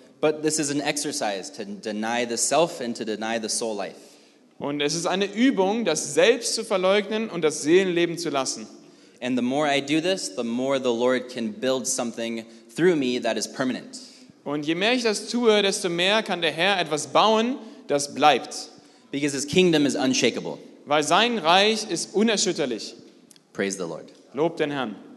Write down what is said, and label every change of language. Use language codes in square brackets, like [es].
[en] But this is an exercise to deny the self and to deny the soul life. [de] Und es ist eine Übung, das Selbst zu verleugnen und das Seelenleben zu lassen. [en] And the more I do this, the more the Lord can build something through me that is permanent. [de] Und je mehr ich das tue, desto mehr kann der Herr etwas bauen, das bleibt. [en] Because his kingdom is unshakable. [de] Weil sein Reich ist unerschütterlich. [en] Praise the Lord. [de] Lob den Herrn.